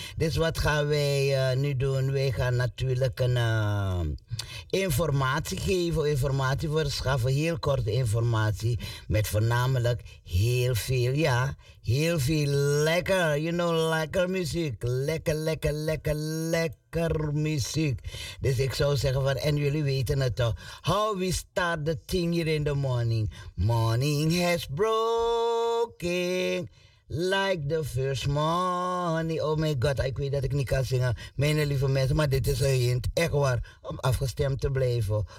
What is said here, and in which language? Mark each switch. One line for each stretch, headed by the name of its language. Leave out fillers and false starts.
Dutch: Dus wat gaan wij nu doen? Wij gaan natuurlijk een informatie geven. Informatie verschaffen. Heel korte informatie. Met voornamelijk heel veel, ja. Heel veel lekker,
English: you know,
Dutch: lekker muziek. Lekker, lekker, lekker, lekker muziek. Dus ik zou zeggen van, en jullie weten het toch.
English: How we start the thing here in the morning. Morning has broken. Like the first money. Oh my god,
Dutch: ik weet dat ik niet kan zingen. Mijn lieve mensen, maar dit is een hint. Echt waar, om afgestemd te blijven.